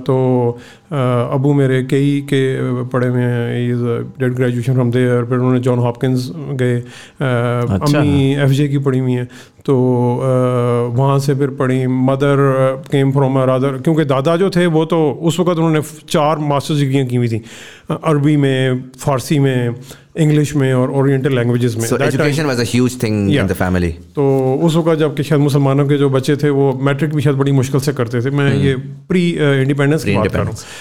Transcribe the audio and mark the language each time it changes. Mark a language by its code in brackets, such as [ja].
[ur] تو ابو میرے کئی کے پڑھے ہوئے ہیں، [en] is dad graduation from there, [ur] پھر انہوں نے جان ہاپکنز گئے. امی ایف جے کی پڑھی ہوئی ہیں، تو وہاں سے پھر پڑھی. [en] mother came from ارادر، [ur] کیونکہ دادا جو تھے وہ تو اس وقت انہوں نے چار ماسٹر ڈگریاں کی ہوئی تھیں، عربی میں، فارسی میں، انگلش میں اور اورینٹل لینگویجز میں. [en] Education was a huge thing in the family. [ur] تو اس وقت جب کہ شاید مسلمانوں کے جو بچے تھے وہ میٹرک بھی شاید بڑی مشکل سے کرتے تھے. میں یہ پری انڈیپینڈنس کی بات کر رہا ہوں.